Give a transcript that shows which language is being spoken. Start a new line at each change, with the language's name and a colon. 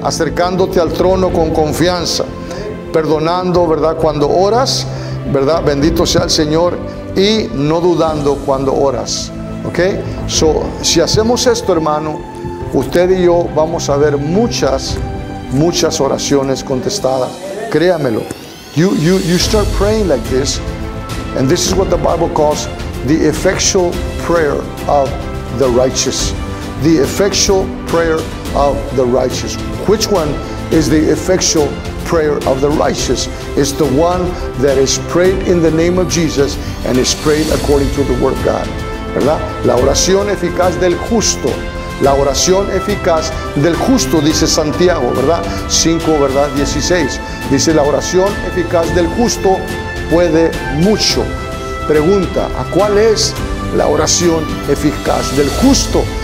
Spanish: Acercándote al trono con confianza. Perdonando, ¿verdad? Cuando oras, ¿verdad? Bendito sea el Señor. Y no dudando cuando oras. ¿Ok? Si hacemos esto, hermano, usted y yo vamos a ver muchas, muchas oraciones contestadas. Créamelo.
English: You start praying like this, and this is what the Bible calls the effectual prayer of the righteous. The effectual prayer of the righteous. Which one is the effectual prayer of the righteous? It's the one that is prayed in the name of Jesus and is prayed according to the word of God.
Spanish: ¿Verdad? La oración eficaz del justo. La oración eficaz del justo, dice Santiago, ¿verdad? 5, ¿verdad? 16. Dice, la oración eficaz del justo puede mucho. Pregunta, ¿a cuál es la oración eficaz del justo?